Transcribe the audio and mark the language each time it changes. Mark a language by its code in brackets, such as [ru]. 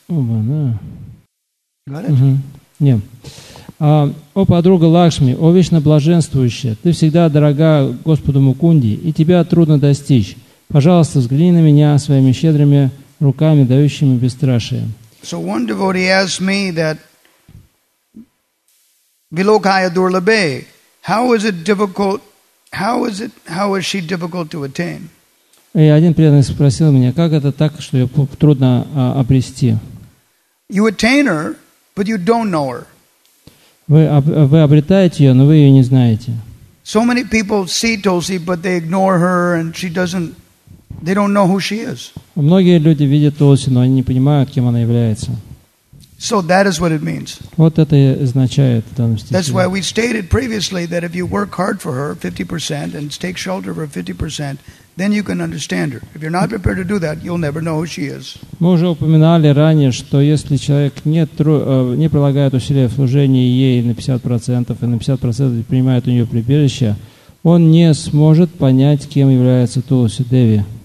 [en] Got it? Mm-hmm. [ru] О подруга Лакшми, о вечно блаженствующая, ты всегда дорога Господу Мукунди, и тебя трудно достичь. Пожалуйста, взгляни на меня своими щедрыми руками, дающими бесстрашие. [en] So one devotee asked me that Vilokaya Durlabe, how is it difficult, how is she difficult to attain? [ru] И один преданный спросил меня, как это так, что ее трудно обрести? [en] You attain her, but you don't know her. [ru] Вы обретаете ее, но вы ее не знаете. [en] So many people see Tulsi, but they ignore her, and she doesn't, they don't know who she is. [ru] Многие люди видят Тулси, но они не понимают, кем она является. [en] So that is what it means. [ru] Вот это и означает в данном стихе. [en] That's why we stated previously that if you work hard for her 50% and take shelter of her 50%, then you can understand her. If you're not prepared to do that, you'll never know who she is. [ru] Мы уже упоминали ранее, что если человек не прилагает усилия в служении ей на 50% и на 50% принимает у нее прибежище, он не сможет понять, кем является Тулоси Деви.